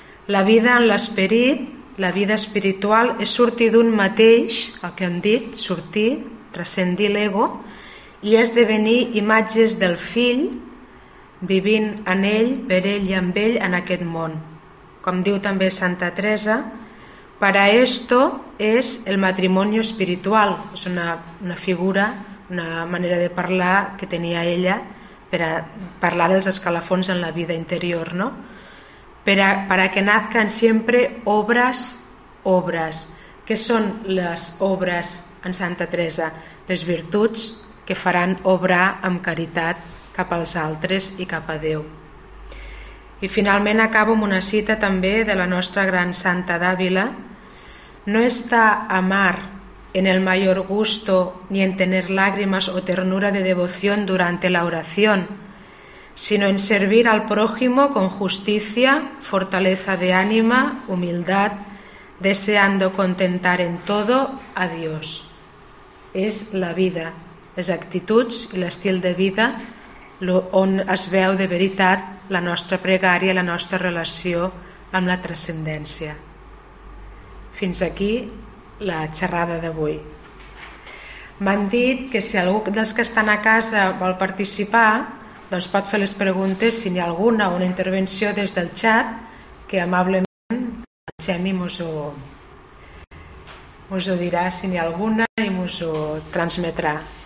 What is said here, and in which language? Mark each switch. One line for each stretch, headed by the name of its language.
Catalan: La vida en l'esperit, la vida espiritual, és sortir d'un mateix, el que hem dit, sortir, transcendir l'ego, i esdevenir imatges del Fill, vivint en ell, per ell i amb ell en aquest món. Com diu també
Spanish: Santa Teresa, para esto es el matrimonio espiritual.
Catalan: És una figura, una manera de parlar que tenia ella per a parlar dels escalafons en la vida interior, no?
Spanish: Para que nazcan siempre obras, obras.
Catalan: Què són les obres en Santa Teresa? Les virtuts que faran obrar amb caritat cap als altres i cap a Déu. I finalment acabo amb una cita també de la nostra gran Santa d'Àvila.
Spanish: No está amar en el mayor gusto ni en tener lágrimas o ternura de devoción durante la oración, sino en servir al prójimo con justicia, fortaleza de ánima, humildad, deseando contentar en todo a Dios.
Catalan: És la vida, les actituds i l'estil de vida on es veu de veritat la nostra pregària, la nostra relació amb la transcendència. Fins aquí la xerrada d'avui. M'han dit que si algú dels que estan a casa vol participar, doncs pot fer les preguntes, si n'hi ha alguna, una intervenció des del xat, que amablement el Xemi mos ho dirà si n'hi ha alguna i mos ho transmetrà.